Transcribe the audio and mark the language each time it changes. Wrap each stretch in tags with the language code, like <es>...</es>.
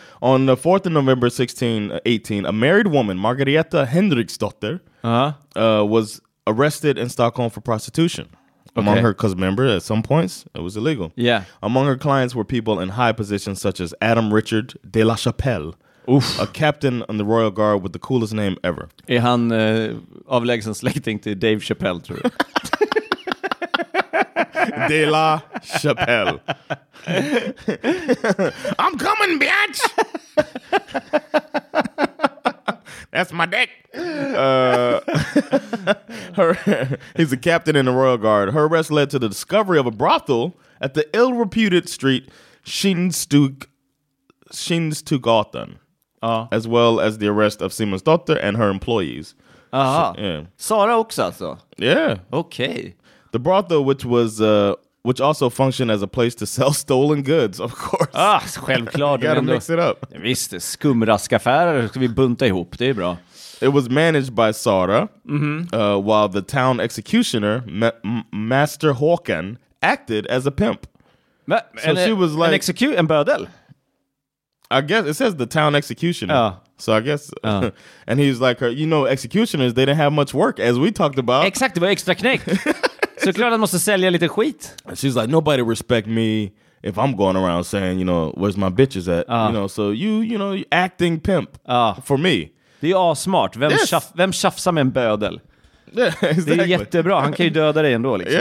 <en>On the 4th of November 1618, a married woman, Margareta Henriksdotter, was arrested in Stockholm for prostitution. Okay. Among her, because remember, at some points, it was illegal. Yeah. Among her clients were people in high positions such as Adam Richard de la Chapelle, a captain in the Royal Guard with the coolest name ever.</en> <sv>Är han avlägsen släkting till Dave Chappelle, tror du?</sv> <en>De la Chapelle. I'm coming, bitch! That's my dick. he's a captain in the Royal Guard. Her arrest led to the discovery of a brothel at the ill-reputed street Skinnstugatan, as well as the arrest of Simon's daughter and her employees.</en> <sv>Aha. Sara också alltså.</sv> <en>Yeah. Okay. The brothel, which was... which also functioned as a place to sell stolen goods, of course.</en> <sv>Ah, självklart.</sv> <en>Gotta mix it up.</en> <sv>Visst, skumraskaffärer ska vi bunta ihop, det är bra.</sv> <en>It was managed by Sara, while the town executioner, Master Håkan, acted as a pimp.</en> <sv>En bödel?</sv> <en>I guess, it says the town executioner. Ah. So I guess, and he's like, you know, executioners, they didn't have much work, as we talked about.</en> <sv>Exakt, det var extra knäck. Så klart att man måste sälja lite skit.</sv> <en>She's like, nobody respect me if I'm going around saying, you know, where's my bitches at? You know, so you know, acting pimp for me.</en> <sv>Det är asmart. Vem tjafsar med en bödel?</sv> <en>Yeah, exactly.</en> <sv>Det är jättebra. Han kan ju döda dig ändå, liksom.</sv>